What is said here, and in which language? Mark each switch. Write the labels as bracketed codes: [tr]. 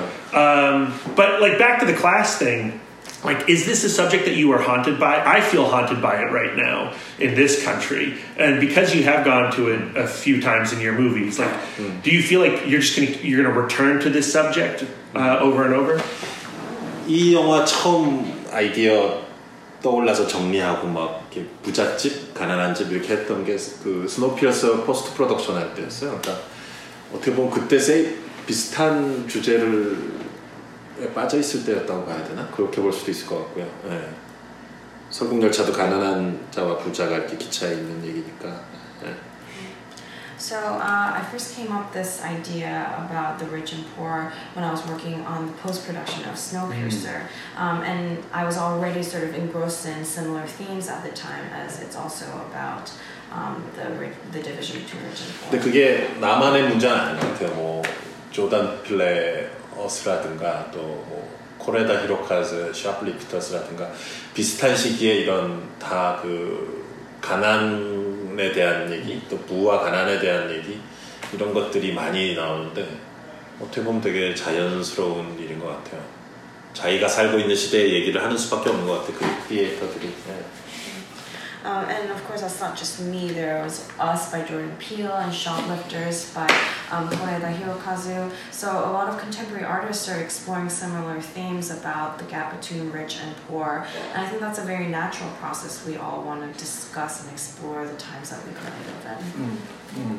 [en] But like back to the class thing, like, is this a subject that you are haunted by? I feel haunted by it right now in this country. And because you have gone to it a few times in your movies, like, do you feel like you're gonna return to this subject over and over? [ko] 이 영화 처음 아이디어 떠올라서 정리하고 막 이렇게 부잣집, 가난한 집 이렇게 했던 게 그 스노우피어서 포스트 프로덕션 할 때였어요. 그러니까 어떻게 보면 그때 비슷한 주제를 빠져 있을 때였다고 봐야 되나? 그렇게 볼 수도 있을 것 같고요. 네. 설국열차도 가난한 자와 부자가 이렇게 기차에 있는 얘기니까. 네. [en] So I first came up this idea about the rich and poor when I was working on the post-production of Snowpiercer. And I was already sort of engrossed in similar themes at the time as it's also about the division between rich and poor. [ko] 근데 그게 나만의 문제는 아닌 것 같아요. 뭐 조던 필레 어스라든가 또 뭐 코레다 히로카즈 샤플리프터스라든가 비슷한 시기에 이런 다 그 가난에 대한 얘기 또 부와 가난에 대한 얘기 이런 것들이 많이 나오는데 어떻게 보면 되게 자연스러운 일인 것 같아요. 자기가 살고 있는 시대의 얘기를 하는 수밖에 없는 것 같아요. 그 크리에이터들이. 네. [en] And of course, that's not just me. There was Us by Jordan Peele and Shoplifters by Koreeda Hirokazu. So a lot of contemporary artists are exploring similar themes about the gap between rich and poor. And I think that's a very natural process we all want to discuss and explore the times that we currently live in.